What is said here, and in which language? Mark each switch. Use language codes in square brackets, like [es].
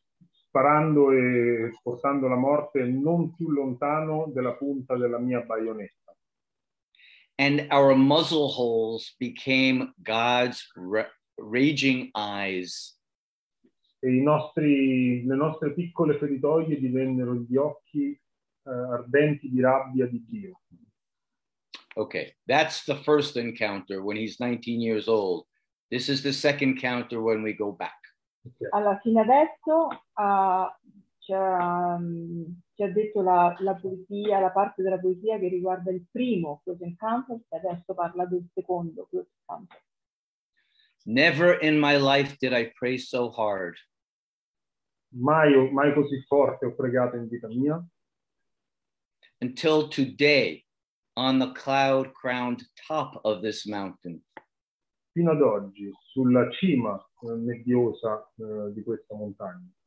[it] Sparando e portando la morte non più lontano della punta della mia baionetta. [en] And our muzzle holes became God's raging eyes. [it] E le nostre piccole feritoie divennero gli occhi ardenti di rabbia di Dio. [en] okay, that's the first encounter when he's 19 years old. This is the second encounter when we go back. Okay. [it] Allora, fino adesso ci ha detto la poesia, la parte della poesia che riguarda il primo close encounter, e adesso parla del secondo close encounter. [en] Never in my life did I pray so hard. [it] Mai così forte ho pregato in vita mia. [en] Until today, on the cloud-crowned top of this mountain. [it] Fino ad oggi, sulla cima nebbiosa di questa montagna.